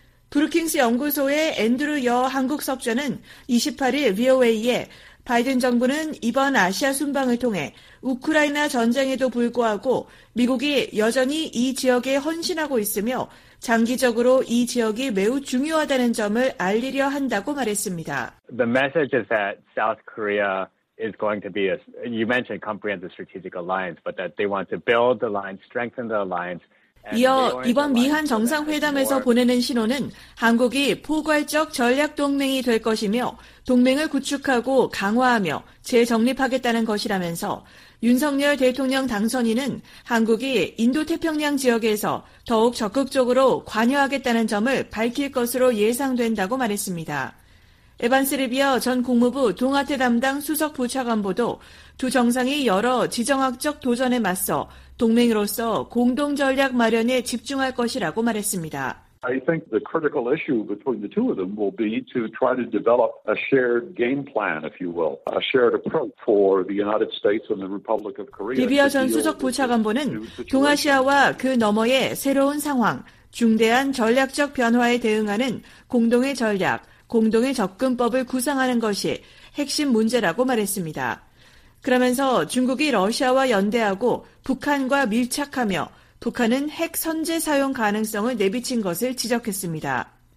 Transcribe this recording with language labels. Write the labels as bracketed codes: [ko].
[ko] 브루킹스 연구소의 앤드루 여 한국 석좌는 28일 VOA에 바이든 정부는 이번 아시아 순방을 통해 우크라이나 전쟁에도 불구하고 미국이 여전히 이 지역에 헌신하고 있으며 장기적으로 이 지역이 매우 중요하다는 점을 알리려 한다고 말했습니다. [en] The message is that South Korea is going to be a you mentioned comprehensive strategic alliance, but that they want to build the alliance, strengthen the alliance. [ko] 이어 이번 미한 정상회담에서 보내는 신호는 한국이 포괄적 전략 동맹이 될 것이며 동맹을 구축하고 강화하며 재정립하겠다는 것이라면서 윤석열 대통령 당선인은 한국이 인도태평양 지역에서 더욱 적극적으로 관여하겠다는 점을 밝힐 것으로 예상된다고 말했습니다. 에반스 리비어 전 국무부 동아태 담당 수석 부차관보도 두 정상이 여러 지정학적 도전에 맞서 동맹으로서 공동 전략 마련에 집중할 것이라고 말했습니다. [en] I think the critical issue between the two of them will be to try to develop a shared game plan, if you will, a shared approach for the United States and the Republic of Korea. [ko] 리비어 전 수석 부차관보는 동아시아와 그 너머의 새로운 상황, 중대한 전략적 변화에 대응하는 공동의 전략, 공동의 접근법을 구상하는 것이 핵심 문제라고 말했습니다. 그러면서 중국이 러시아와 연대하고 북한과 밀착하며 북한은 핵 선제 사용 가능성을 내비친 것을 지적했습니다.